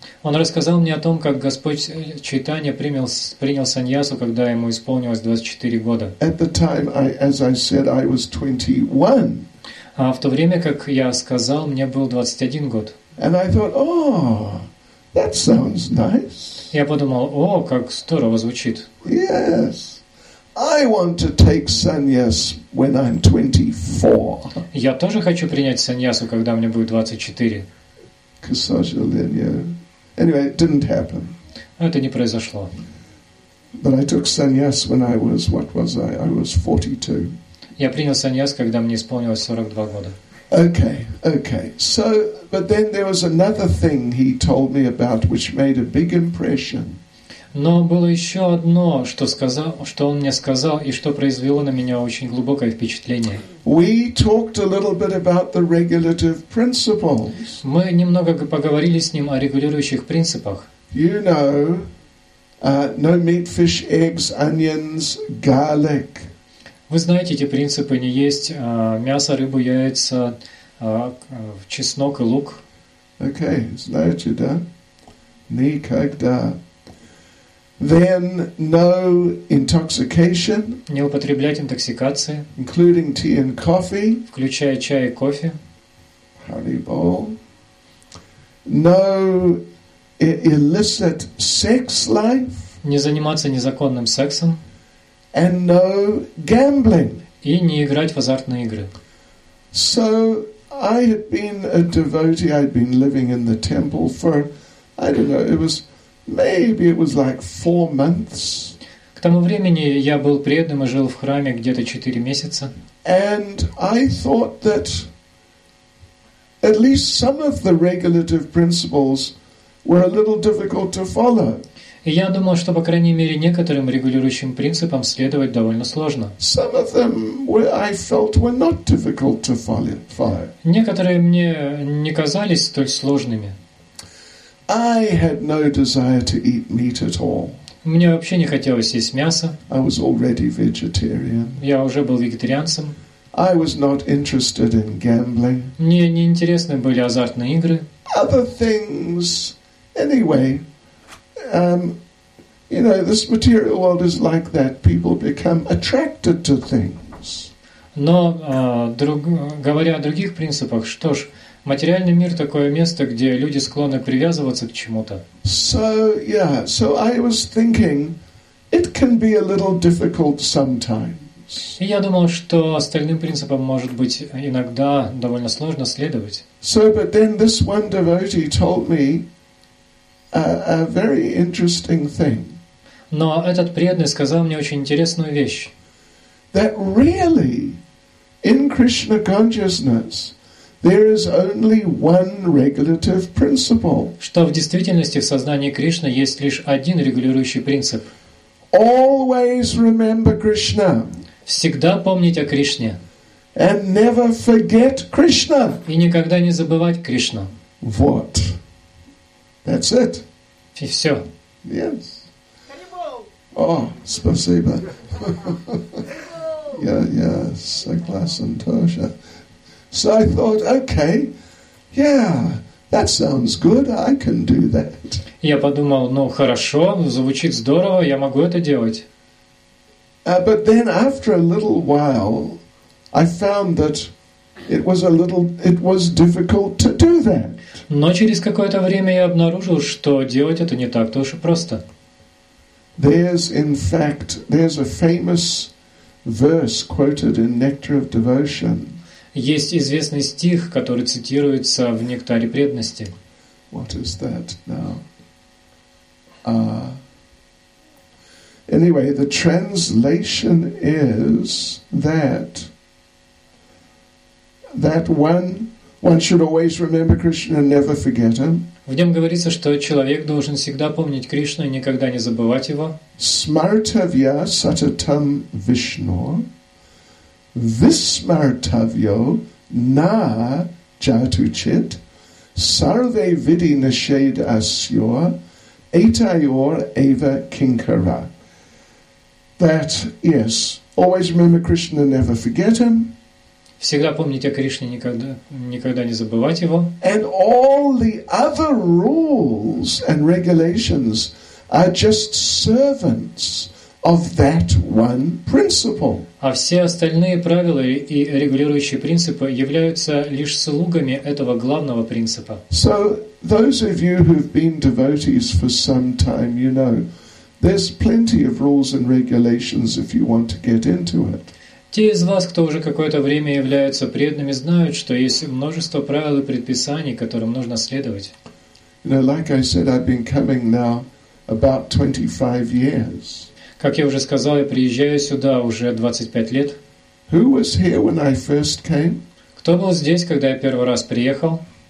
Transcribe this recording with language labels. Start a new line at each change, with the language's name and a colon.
Russian: Он рассказал мне о том, как Господь Чайтанья принял саньясу, когда ему исполнилось 24 года.
English: At the time, as I said, I was 21.
Russian: А в то время, как я сказал, мне был 21 год.
English: And I thought, oh, that sounds nice.
Russian: Я подумал, о, как здорово звучит.
English: Yes, I want to take sannyas when I'm 24.
Russian: Я тоже хочу принять саньясу, когда мне будет 24. К сожалению.
English: Anyway, it didn't happen.
Russian: Это не произошло.
English: But I took sannyas when I was, what was I? I was 42.
Russian: Я принял саньяс, когда мне исполнилось 42 года.
English: Okay. So, but then there was another thing he told me about, which made a big impression.
Russian: Но было еще одно, что он мне сказал и что произвело на меня очень глубокое впечатление.
English: We talked a little bit about the regulative principles.
Russian: Мы немного поговорили с ним о регулирующих принципах.
English: You know, no meat, fish, eggs, onions, garlic.
Russian: Вы знаете эти принципы: не есть мясо, рыбу, яйца, чеснок и лук. Okay, знаете, да? Никогда.
English: Then no intoxication.
Russian: Не употреблять интоксикации.
English: Including tea and coffee.
Russian: Включая чай и кофе.
English: Haribol. No illicit sex life.
Russian: Не заниматься незаконным сексом.
English: And no gambling.
Russian: И не играть в азартные игры.
English: So I had been a devotee. I'd been living in the temple for, I don't know, it was maybe it was like 4 months.
Russian: К тому времени я был преданным и жил в храме где-то 4 месяца.
English: And I thought that at least some of the regulative principles were a little difficult to follow.
Russian: Я думал, что по крайней мере некоторым регулирующим принципам следовать довольно сложно.
English: Some of them I felt were not difficult to follow.
Russian: Некоторые мне не казались столь сложными.
English: I had no desire to eat meat at all.
Russian: Мне вообще не хотелось есть мясо.
English: I was already vegetarian.
Russian: Я уже был вегетарианцем.
English: I was not interested in gambling.
Russian: Мне не интересны были азартные игры.
English: Other things, anyway. You know, this material world is like that. People become attracted to things.
Russian: Но говоря о других принципах, что ж, материальный мир — такое место, где люди склонны привязываться к чему-то.
English: So yeah, so I was thinking, it can be a little difficult sometimes.
Russian: И я думал, что остальным принципам может быть иногда довольно сложно следовать.
English: So, but then this one devotee told me a very interesting thing.
Russian: Но этот преданный сказал мне очень интересную вещь.
English: That really, in Krishna consciousness, there is only one regulative principle.
Russian: Что в действительности в сознании Кришны есть лишь один регулирующий принцип.
English: Always remember Krishna.
Russian: Всегда помнить о Кришне.
English: And never forget Krishna.
Russian: И никогда не забывать Кришну.
English: Вот. That's it.
Russian: И все.
English: Yes. Oh, спасибо. Yeah, yeah, Sagasantosha. So I thought, okay, yeah, that sounds good. I can do that.
Russian: Я подумал, ну хорошо, звучит здорово, я могу это делать.
English: But then after a little while, I found that it was difficult to do that.
Russian: Но через какое-то время я обнаружил, что делать это не так-то уж и просто.
English: There's a famous verse quoted in Nectar of Devotion.
Russian: Есть известный стих, который цитируется в «Нектаре преданности».
English: What is that now? Anyway, the translation is that one should always remember Krishna and never forget him.
Russian: В нем говорится, что человек должен всегда помнить Кришну и никогда не забывать его.
Sanskrit: Smartavya satatam Vishnu. Vismartavyo na jatuchit sarve vidi nished asyor etayor eva kinkara.
English: That, yes, always remember Krishna, never forget him.
Russian: Всегда помнить о Кришне, никогда не забывать его.
English: And all the other rules and regulations are just servants of that one principle.
Russian: А все остальные правила и регулирующие принципы являются лишь слугами этого главного принципа.
English: So those of you who've been devotees for some time, you know, there's plenty of rules and regulations if you want to get into it.
Russian: Те из вас, кто уже какое-то время являются преданными, знают, что есть множество правил и предписаний, которым нужно следовать.
English: You know, like I said, I've been coming now about 25 years.
Russian: Как я уже сказал, я приезжаю сюда уже 25 лет.
English: Who was here when I first came?
Russian: Кто был здесь, когда я первый раз приехал?